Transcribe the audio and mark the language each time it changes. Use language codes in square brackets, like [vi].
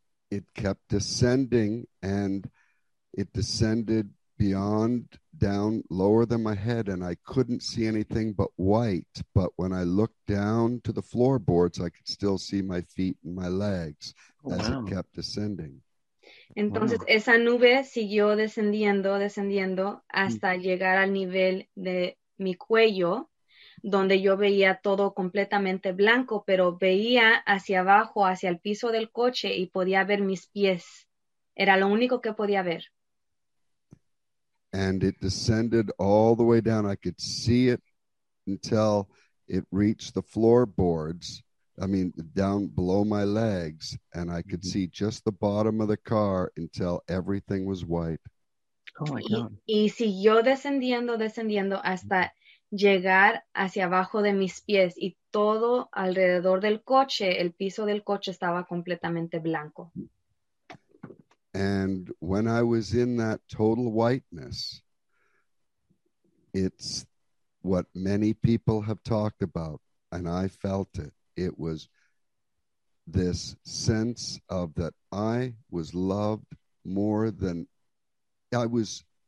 [en] It kept descending and it descended beyond down lower than my head, and I couldn't see anything but white. But when I looked down to the floorboards, I could still see my feet and my legs as it kept descending. [es] Entonces, esa nube siguió descendiendo hasta llegar al nivel de mi cuello, donde yo veía todo completamente blanco, pero veía hacia abajo, hacia el piso del coche, y podía ver mis pies. Era lo único que podía ver. [en] And it descended all the way down. I could see it until it reached the floorboards. I mean, down below my legs. And I could see just the bottom of the car until everything was white. Oh, my God. [es] Y siguió descendiendo hasta llegar hacia abajo de mis pies y todo alrededor del coche, el piso del coche estaba completamente blanco. [en] And when I was in that total whiteness, it's what many people have talked about, and I felt it. It was this sense of that I was loved more than I was.